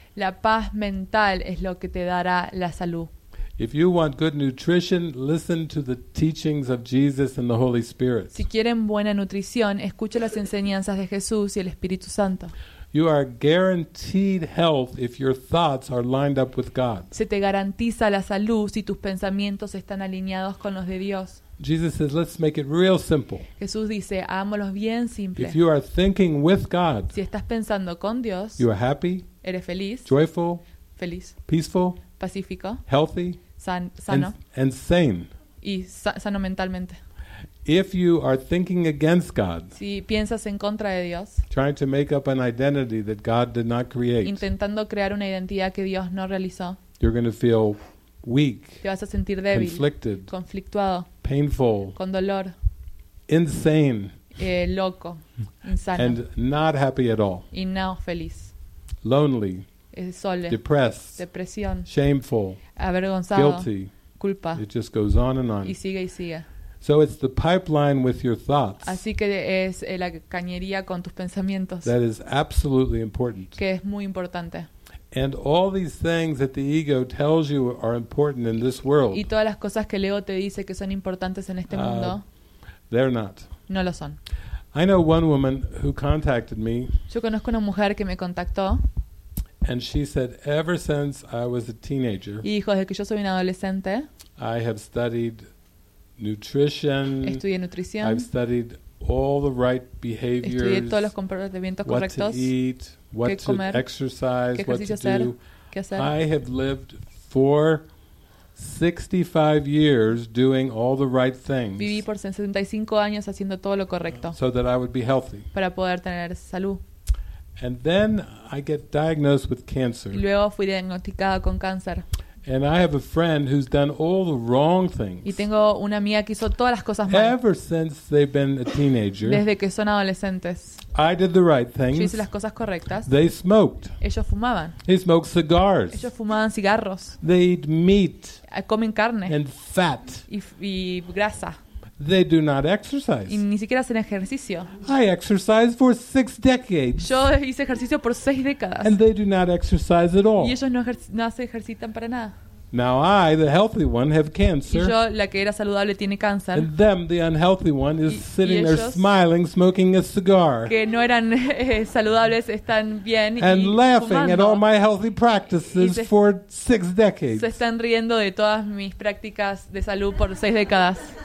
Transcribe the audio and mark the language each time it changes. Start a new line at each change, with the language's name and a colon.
Spanish: La paz mental es lo que te dará la salud.
English: If you want good nutrition, listen to the teachings of Jesus and the Holy Spirit.
Spanish: Si quieren buena nutrición, escuche las enseñanzas de Jesús y el Espíritu Santo.
English: You are guaranteed health if your thoughts are lined up with God.
Spanish: Se te garantiza la salud si tus pensamientos están alineados con los de Dios.
English: Jesus says, "Let's make it real simple."
Spanish: Jesús dice, hagámoslo bien simple.
English: If you are thinking with God,
Spanish: si estás pensando con Dios,
English: you are happy.
Spanish: Eres feliz.
English: Joyful.
Spanish: Feliz.
English: Peaceful.
Spanish: Pacífico,
English: healthy,
Spanish: sano,
English: and sane.
Spanish: Y sano mentalmente.
English: If you are thinking against God,
Spanish: si piensas en contra de Dios,
English: trying to make up an identity that God did not create,
Spanish: intentando crear una identidad que Dios no realizó,
English: you're going to feel weak,
Spanish: te vas a sentir débil,
English: conflicted,
Spanish: conflictuado,
English: painful,
Spanish: con dolor,
English: insane,
Spanish: loco, insano,
English: and not happy at all,
Spanish: y no feliz,
English: lonely.
Spanish: Sole,
English: depressed,
Spanish: depresión,
English: shameful,
Spanish: avergonzado,
English: guilty,
Spanish: culpa.
English: It just goes on and on.
Spanish: Y sigue y sigue.
English: So it's the pipeline with your thoughts.
Spanish: Así que es la cañería con tus pensamientos.
English: That is absolutely important.
Spanish: Que es muy importante.
English: And all these things that the ego tells you are important in this world.
Spanish: Y todas las cosas que el ego te dice que son importantes en este mundo.
English: They're not.
Spanish: No lo son.
English: I know one woman who contacted me.
Spanish: Yo conozco una mujer que me contactó.
English: And she said, ever since I was a teenager,
Spanish: y dijo, desde que yo soy un adolescente,
English: I have studied nutrition,
Spanish: estudié nutrición,
English: I've studied all the right behaviors,
Spanish: estudié todos los comportamientos correctos,
English: what to eat, what
Spanish: qué comer,
English: to exercise,
Spanish: qué ejercicio
English: what to
Spanish: hacer,
English: do.
Spanish: Qué hacer.
English: I have lived for 65 years doing all the right things,
Spanish: viví por 65 años haciendo todo lo correcto,
English: so that I would be healthy,
Spanish: para poder tener salud.
English: And then I get diagnosed with cancer.
Spanish: Luego fui diagnosticada con cáncer.
English: And I have a friend who's done all the wrong things.
Spanish: Y tengo una amiga que hizo todas las cosas mal.
English: Ever since they've been a teenager.
Spanish: Desde que son adolescentes.
English: I did the right things.
Spanish: Yo hice las cosas correctas.
English: They smoked.
Spanish: Ellos fumaban.
English: They smoked cigars.
Spanish: Ellos fumaban cigarros.
English: They eat meat.
Spanish: Comen carne.
English: And fat.
Spanish: Y grasa.
English: They do not exercise.
Spanish: Y ni siquiera hacen ejercicio.
English: I exercise for 6 decades.
Spanish: Yo hice ejercicio por 6 décadas.
English: And they do not exercise at all.
Spanish: Y ellos no se ejercitan para nada.
English: Now I, the healthy one, have cancer.
Spanish: Y yo, la que era saludable, tiene cáncer.
English: And them, the unhealthy one, is sitting there smiling, smoking a cigar.
Spanish: Que no eran saludables, están bien y fumando.
English: And laughing at all my healthy practices for 6 decades.
Spanish: Se están riendo de todas mis prácticas de salud por 6 décadas.